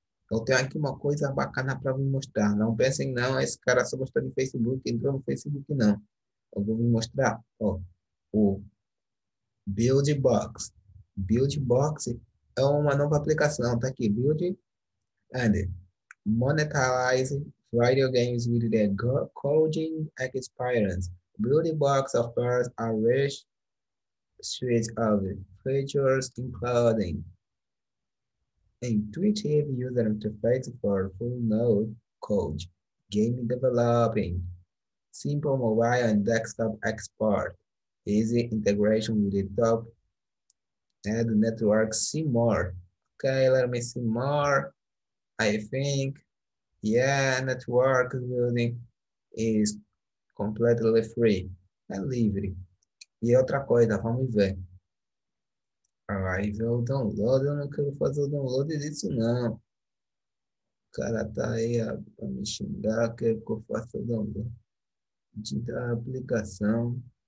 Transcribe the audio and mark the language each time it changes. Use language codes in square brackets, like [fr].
[pt] Eu tenho aqui uma coisa bacana para me mostrar. Não pensem, não, esse cara só gostou de Facebook, entrou no Facebook, não. Eu vou me mostrar, ó, o BuildBox. BuildBox é uma nova aplicação, tá aqui, [en] Build and Monetize Video Games with the Coding Experience. BuildBox offers a rich suite of features, including intuitive user interface for full no code game developing, simple mobile and desktop export, easy integration with the top ad network, see more. Okay, let me see more. I think, yeah, network building is completely free. [pt] É livre. E outra coisa, vamos ver. Aí vê o download, eu não quero fazer o download disso, não. O cara tá aí a me xingar, quer que eu faça o download da aplicação.